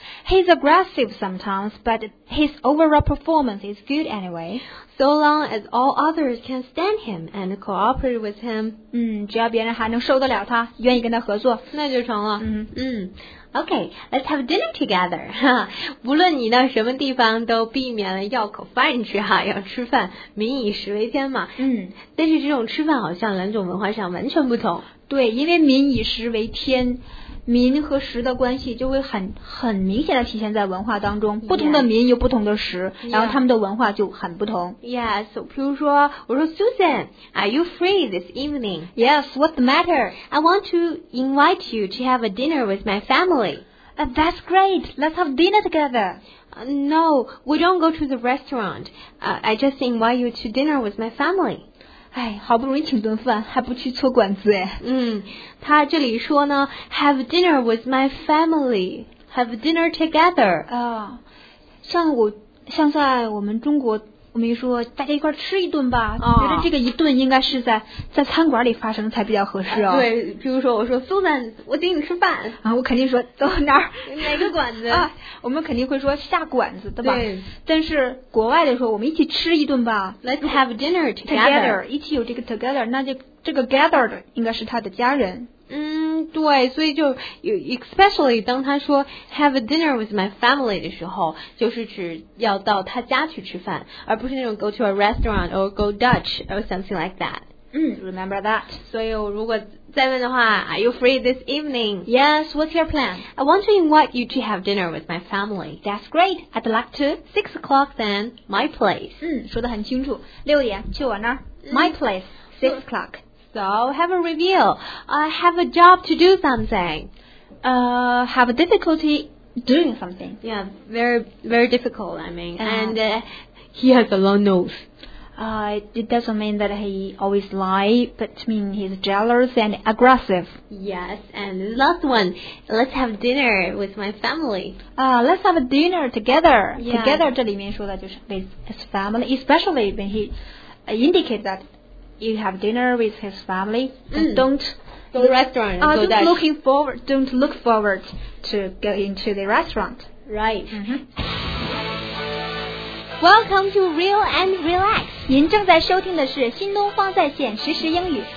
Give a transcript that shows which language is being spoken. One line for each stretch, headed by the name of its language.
English: He's aggressive sometimes, but his overall performance is good anyway. So long as all others can stand him and cooperate with him.
Chinese: 只要别人还能受得了他，愿意跟他合作，那就成了。嗯。
English: Okay, let's have dinner together.
Chinese: 无论你到什么地方都避免了要口饭吃哈，要吃饭，民以食为天嘛。但是这种吃饭好像两种文化上完全不同。对，因为民以食为天，民和食的关系就会很明显的体现在文化当中。不同的民有不同的食，
English: yeah.
Chinese: 然后他们的文化就很不同。
English: Yes,
Chinese: 比如说我说
English: Susan, are you free this evening? Yes, what's the matter? I want to invite you to have a dinner with my family. That's great, let's have dinner together. No, we don't go to the restaurant. I just invite you to dinner with my family.
Chinese: 哎，好不容易请顿饭，还不去搓馆子哎。他这里说呢
English: ，have dinner with my family, have dinner together。
Chinese: 像在我们中国，我们一说大家一块吃一顿吧，哦、觉得这个一顿应该是在餐馆里发生才比较合适哦。对，比如说我说 Susan, 我请你吃饭啊，我肯定说走哪儿哪个馆子啊，我们肯定会说下馆子对吧？对。但是国外的时候，我们一起吃一顿吧
English: ，Let's have dinner
Chinese: together， 一起有这个 together， 那就这个 gathered 应该是他的家人。对，所以就
English: especially
Chinese: 当他说
English: have a dinner with my family
Chinese: 的时候，就是指要到他家去吃饭，而不是那种
English: go to a restaurant or go Dutch or something like that. Remember that.
Chinese: 所以如果再问的话 ，
English: Are you free this evening? Yes. What's your plan? I want to invite you to have dinner with my family. That's great. I'd like to. 6 o'clock then, my place.
Chinese: 说得很清楚，六点去我那儿。
English: My place. 6 o'clock. So, have a review. I have a job to do something. Have a difficulty doing something. Yeah, very, very difficult, I mean. And he has a long nose. It doesn't mean that he always lies, but I mean he's jealous and aggressive. Yes, and last one. Let's have dinner with my family. Let's have a dinner together. Yeah. Together,
Chinese: 这里面说的就是
English: with his family, especially when he indicates that. You have dinner with his family. Don't go to the restaurant. Don't look forward to going to the restaurant. Right. Mm-hmm. Welcome to Real and Relax.
Chinese: 您正在收听的是新东方在线实时英语。